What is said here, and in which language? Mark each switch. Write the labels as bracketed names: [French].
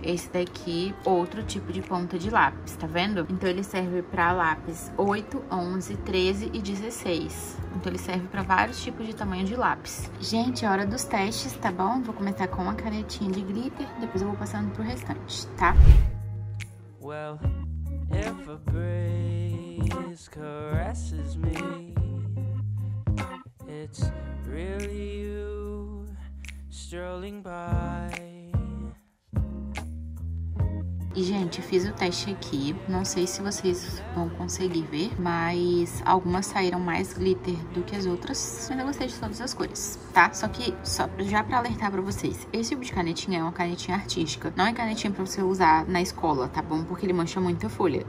[Portuguese] Esse daqui, outro tipo de ponta de lápis, tá vendo? Então ele serve pra lápis 8, 11, 13 e 16. Então ele serve pra vários tipos de tamanho de lápis. Gente, é hora dos testes, tá bom? Vou começar com uma canetinha de glitter, depois eu vou passando pro restante, tá? [English] Well, if a breeze caresses me, it's really you strolling by. [Portuguese] E, gente, fiz o teste aqui. Não sei se vocês vão conseguir ver, mas algumas saíram mais glitter do que as outras. Mas eu gostei de todas as cores, tá? Só que, só já pra alertar pra vocês, esse tipo de canetinha é uma canetinha artística. Não é canetinha pra você usar na escola, tá bom? Porque ele mancha muita folha.